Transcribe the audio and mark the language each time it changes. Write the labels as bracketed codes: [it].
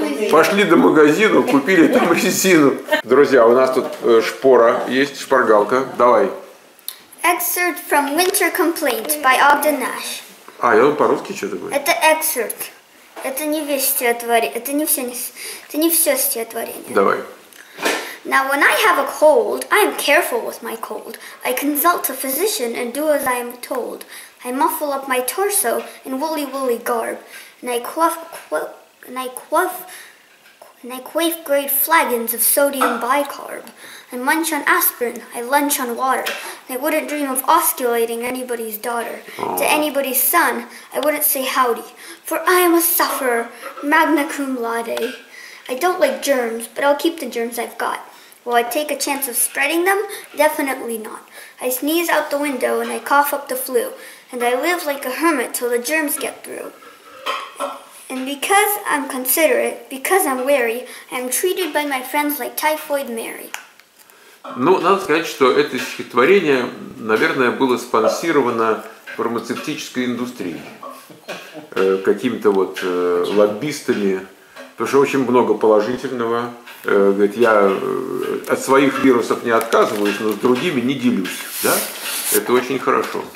[ru] Пошли до магазина, купили там резину. Друзья, у нас тут шпора есть, шпаргалка. Давай. [en] Excerpt from Winter Complaint by Ogden Nash. [ru] А, я думал, по-русски что-то говорю. Это excerpt. Это не весь стихотворение. Это не все стихотворение. Давай. [en] Now when I have a cold, I am careful with my cold. I consult a physician and do as I am told. I muffle up my torso in woolly woolly garb. And I quaff great flagons of sodium bicarb. I munch on aspirin, I lunch on water. And I wouldn't dream of osculating anybody's daughter. To anybody's son, I wouldn't say howdy. For I am a sufferer, magna cum laude. I don't like germs, but I'll keep the germs I've got. Will I take a chance of spreading them? Definitely not. I sneeze out the window and I cough up the flu. And I live like a hermit till the germs get through. And because I'm considerate, because I'm wary, I'm treated by my friends like typhoid Mary. [ru] Ну, надо сказать, что это стихотворение, наверное, было спонсировано фармацевтической индустрией. Какими-то вот лоббистами. Потому что очень много положительного. Говорит, я от своих вирусов не отказываюсь, но с другими не делюсь. Да? Это очень хорошо.